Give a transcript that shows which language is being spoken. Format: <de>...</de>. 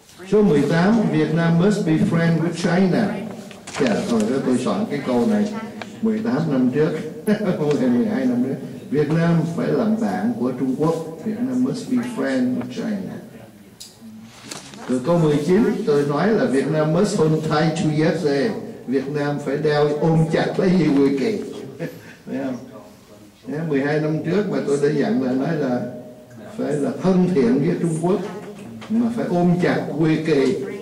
<vi>Số 18, Việt Nam</vi> <en>must be friend with China.</en> <vi>Dạ, rồi đó tôi soạn cái câu này 18 năm trước, 12 năm trước. Việt Nam phải làm bạn của Trung Quốc.</vi> <en>Việt Nam must be friend with China.</en> <vi>Rồi câu 19, tôi nói là Việt Nam</vi> <en>must hold tight to USA.</en> <vi>Việt Nam phải đeo ôm chặt lấy gì quý kỳ. Thấy không? 12 năm trước mà tôi đã dặn là nói là phải là thân thiện với Trung Quốc mà phải ôm chặt quý kỳ.</vi>